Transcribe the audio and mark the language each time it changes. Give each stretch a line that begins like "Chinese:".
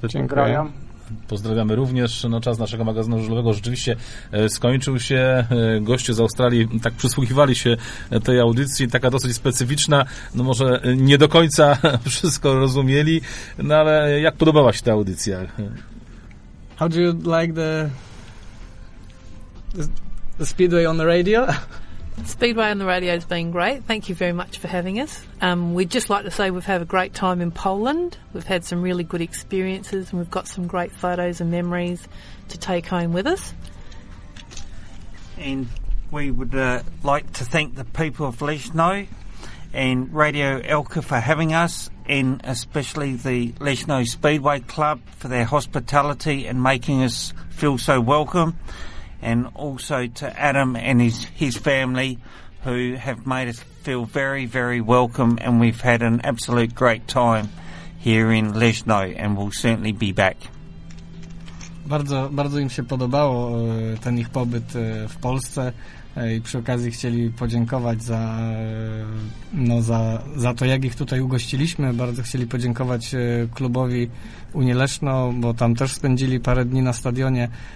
Polish: Dziękuję. Pozdrawiamy również. No, czas naszego magazynu żużlowego rzeczywiście skończył się. Goście z Australii tak przysłuchiwali się tej audycji, taka dosyć specyficzna. No może nie do końca wszystko rozumieli, no ale jak podobała się ta audycja?
English: How do you like the speedway on the radio? Speedway on the radio has been great. Thank you very much for having us. We'd just like to say we've had a great time in Poland. We've had some really good experiences and we've got some great photos and memories to take home with us. And we would like to thank the people of Leszno and Radio Elka for having us, and especially the Leszno Speedway Club for their hospitality and making us feel so welcome. And also to Adam and his family, who have made us feel very, very welcome, and we've had an absolute great time here in Leszno, and we'll certainly be back.
Polish: Bardzo, bardzo im się podobało ten ich pobyt w Polsce i przy okazji chcieli podziękować za to, jak ich tutaj ugościliśmy. Bardzo chcieli podziękować klubowi Unii Leszno, bo tam też spędzili parę dni na stadionie.